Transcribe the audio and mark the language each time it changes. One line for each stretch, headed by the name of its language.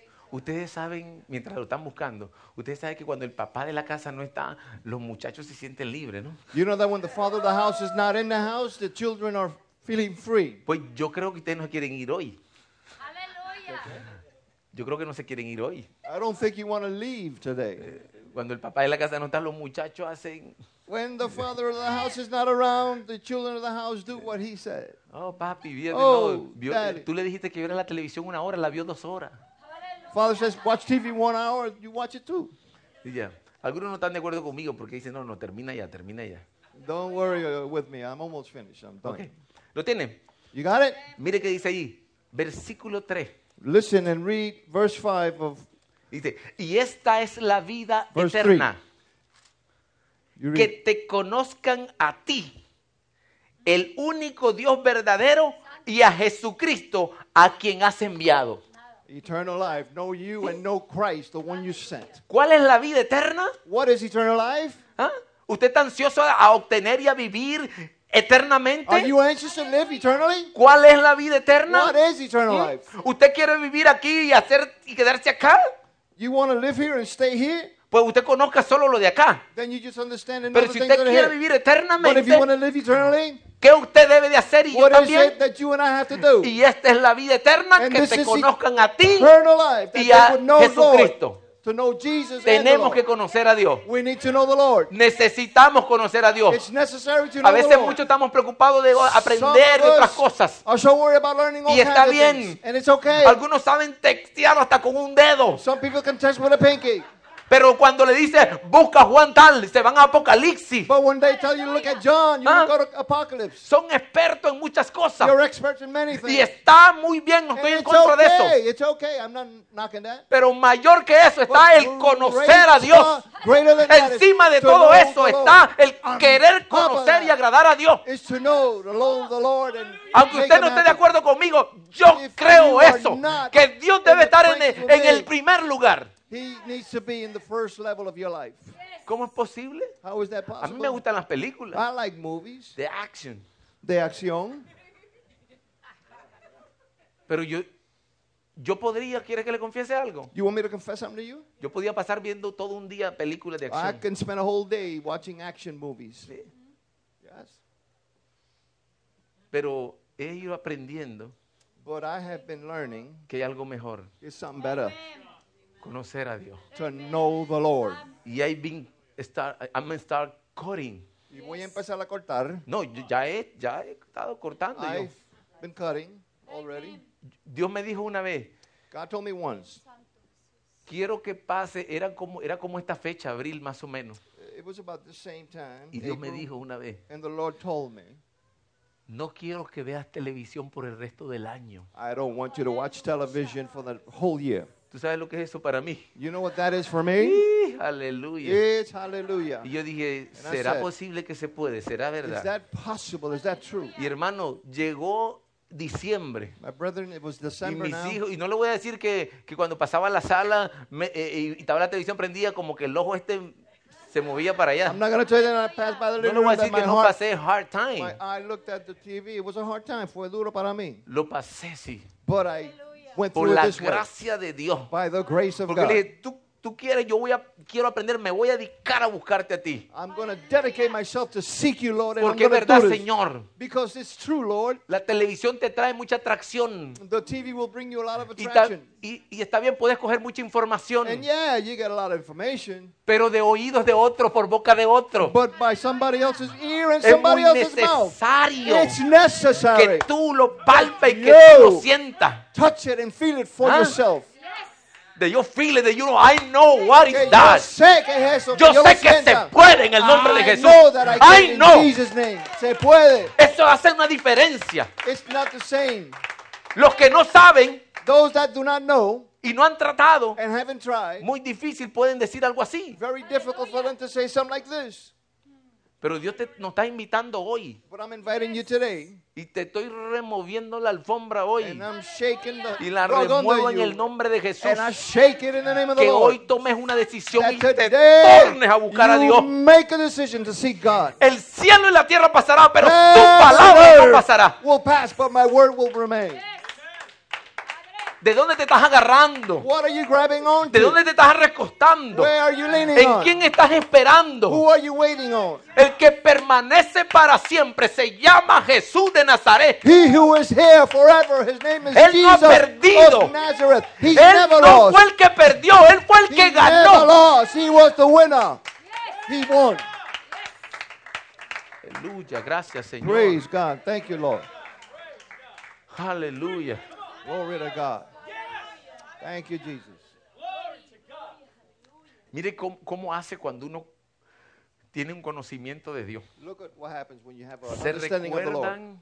Spanish: Ustedes saben, mientras lo están buscando, ustedes saben que cuando el papá de la casa no está, los muchachos se sienten libres, ¿no?
English: You know that when the father of the house is not in the house, the children are feeling free.
Spanish: Pues yo creo que ustedes no quieren ir hoy. Aleluya. Yo creo que no se quieren ir hoy.
English: I don't think you want to leave today.
Spanish: Cuando el papá de la casa no está, los muchachos hacen.
English: When the father of the house is not around, the children of the house do what he said.
Spanish: Oh, papi, bien. Oh, no, vio, tú le dijiste que vio en la televisión una hora, la vio dos horas.
English: Father says, watch TV 1 hour, you watch it too. Yeah.
Spanish: Algunos no están de acuerdo conmigo porque dicen, no, termina ya.
English: Don't worry with me, I'm almost finished. I'm done.
Spanish: Okay. ¿Lo tienen?
English: You got it?
Spanish: Mire qué dice allí. Versículo 3.
English: Listen and read verse 5 of.
Spanish: Dice, y esta es la vida eterna. Que te conozcan a ti, el único Dios verdadero, y a Jesucristo a quien has enviado.
English: Eternal life, know you and know Christ, the one you sent.
Spanish: ¿Cuál es la vida eterna?
English: What is eternal life? ¿Ah?
Spanish: ¿Usted está ansioso a obtener y a vivir eternamente?
English: Are you anxious to live eternally?
Spanish: ¿Cuál es la vida eterna?
English: What is eternal life?
Spanish: ¿Usted quiere vivir aquí y hacer y quedarse acá?
English: You want to live here and stay here?
Spanish: Pues usted conozca solo lo de acá.
English: Then you just understand and
Spanish: pero si usted quiere vivir eternamente.
English: But if you want to live eternally?
Spanish: ¿Qué usted debe de hacer y
English: what
Spanish: yo también?
English: Is it that you and I have to do?
Spanish: Y esta es la vida eterna,
English: and
Spanish: que te conozcan a ti
English: life,
Spanish: y a Jesucristo.
English: Lord, to know Jesus.
Spanish: Tenemos que conocer a Dios.
English: We need to know the Lord.
Spanish: Necesitamos conocer a Dios.
English: It's necessary to
Spanish: a veces muchos estamos preocupados de aprender
English: some
Spanish: otras cosas.
English: Are so worried about learning all
Spanish: y está bien.
English: And it's okay.
Spanish: Algunos saben textear hasta con un dedo.
English: Some people can text with a pinky.
Spanish: Pero cuando le dice busca Juan tal, se van a Apocalipsis.
English: But when they tell you look at John, you go to Apocalypse.
Spanish: Son expertos en muchas cosas.
English: You're experts in many things.
Spanish: Y está muy bien, no estoy en contra de eso. It's okay, I'm not knocking that. Pero mayor que eso está el conocer a Dios. Encima de todo eso está el querer conocer y agradar a Dios. Aunque usted no esté de acuerdo conmigo, yo creo eso, que Dios debe estar en el primer lugar.
English: He needs to be in the first level of your life.
Spanish: ¿Cómo es posible?
English: How is that possible?
Spanish: A mí me gustan las películas.
English: I like movies.
Spanish: De acción. De acción. Pero yo podría, ¿quiere que le confiese algo?
English: You want me to confess something to you?
Spanish: Yo podía pasar viendo todo un día películas de acción.
English: I can spend a whole day watching action movies.
Spanish: Sí.
English: Yes.
Spanish: Pero he ido aprendiendo.
English: But I have been learning.
Spanish: Que hay algo mejor.
English: There's something better.
Spanish: Conocer a Dios.
English: To know the Lord.
Spanish: Y ahí
English: I'm going to start cutting.
Spanish: Y voy a empezar a cortar. No, ya he estado cortando.
English: I've been cutting already.
Spanish: Dios me dijo una vez.
English: God told me once.
Spanish: Quiero que pase, era como esta fecha, abril más o menos.
English: It was about the same time.
Spanish: Y Dios me dijo una vez.
English: And the Lord told me.
Spanish: No quiero que veas televisión por el resto del año.
English: I don't want you to watch television for the whole year.
Spanish: ¿Tú sabes lo que es eso para mí?
English: You know what that is for me?
Spanish: Aleluya.
English: It's hallelujah.
Spanish: Y yo dije, ¿será posible que se puede? ¿Será verdad?
English: Is that possible? Is that true?
Spanish: Y hermano, llegó diciembre.
English: My brethren, it was December
Spanish: y mis
English: now.
Spanish: Hijos, y no le voy a decir que cuando pasaba a la sala y estaba la televisión prendida, como que el ojo este se movía para allá.
English: I'm not going to tell you that I passed by the living
Spanish: no
English: room.
Spanish: No le voy a decir que no pasé
English: hard time. I looked at the TV. It was a hard time.
Spanish: Fue duro para mí. Lo pasé, sí.
English: But I...
Spanish: Por la gracia de Dios.
English: By the grace of
Spanish: porque
English: God.
Spanish: Le dije, tú quieres, yo quiero aprender, me voy a dedicar a buscarte a ti.
English: I'm going to dedicate myself to seek you, Lord.
Spanish: Porque es verdad, Señor.
English: Because it's true, Lord.
Spanish: La televisión te trae mucha atracción.
English: The TV will bring you a lot of attraction.
Spanish: Y está bien, puedes coger mucha información.
English: And yeah, you get a lot of information.
Spanish: Pero de oídos de otro, por boca de otro.
English: But by somebody else's ear and somebody else's mouth.
Spanish: Es necesario.
English: It's necessary.
Spanish: Que tú lo palpes y que tú lo sientas.
English: Touch it and feel it for yourself. That you feel it, that you know, I know what it does.
Spanish: Yo sé que es eso, yo sé que se puede en el nombre de Jesús.
English: I know that I can in Jesus' name.
Spanish: Se puede. Eso hace una diferencia.
English: It's not the same.
Spanish: Los que no saben.
English: Those that do not know.
Spanish: Y no han tratado.
English: And haven't tried.
Spanish: Muy difícil pueden decir algo así.
English: Very difficult for them to say something like this.
Spanish: Pero Dios nos está invitando hoy.
English: But I'm inviting you today.
Spanish: Y te estoy removiendo la alfombra hoy.
English: And I'm shaking the
Spanish: y la remuevo en el nombre de Jesús.
English: And I shake it in the name of the
Spanish: que
English: Lord.
Spanish: Hoy tomes una decisión y te tornes a buscar
English: you
Spanish: a Dios.
English: Make a decision to seek God.
Spanish: El cielo y la tierra pasará, pero tu palabra no pasará.
English: Will pass, but my word will remain.
Spanish: ¿De dónde te estás agarrando?
English: What are you grabbing onto?
Spanish: ¿De dónde te estás recostando?
English: Where are you leaning
Spanish: ¿En
English: on?
Spanish: ¿En quién estás esperando?
English: Who are you waiting on?
Spanish: El que permanece para siempre se llama Jesús de Nazaret.
English: He who is here forever, his name is
Spanish: él
English: Jesus
Spanish: no ha perdido.
English: Of Nazareth. He's
Spanish: él
English: never lost.
Spanish: Fue el que perdió, él fue el
English: he
Spanish: que ganó.
English: Never lost. He was the winner. He won.
Spanish: Aleluya, gracias Señor.
English: Praise God. Thank you, Lord.
Spanish: Aleluya.
English: Glory to God. Thank you, Jesus.
Spanish: Mire cómo hace cuando uno tiene un conocimiento de Dios.
English: Look at what happens when you have an understanding of the Lord.